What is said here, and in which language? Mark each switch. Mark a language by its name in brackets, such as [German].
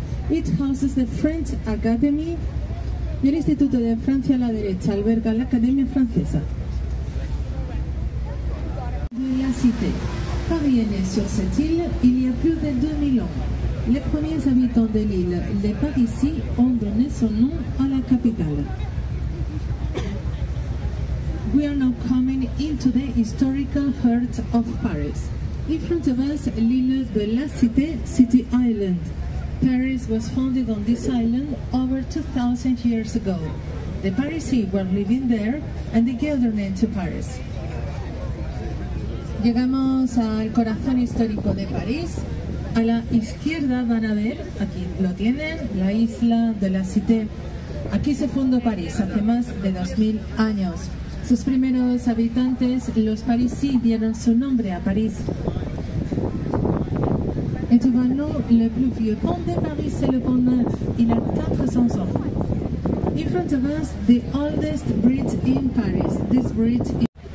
[English] It houses the French Academy. [Spanish] Y el Instituto de Francia a la derecha alberga l'Académie francesa. De la Cité. [French] pariennes sur cette île il y a plus de 2000 ans. Les premiers habitants de l'île, les Parisiens, ont donné son nom à la capitale. [English] We are now coming into the historical heart of Paris. In front of us, l'île de la Cité, City Island. Paris was founded on this island over 2,000 years ago. The Parisiens were living there and they gave their name to Paris. [Spanish] Llegamos al corazón histórico de París. A la izquierda van a ver, aquí lo tienen, la isla de la Cité. Aquí se fundó París hace más de 2000 años. Sus primeros habitantes, los parisis, dieron su nombre a París. [French] Et devant nous, le plus vieux pont de Paris, c'est le Pont Neuf. Il a 400 ans. [English] In front of us, the oldest bridge in Paris. This bridge is...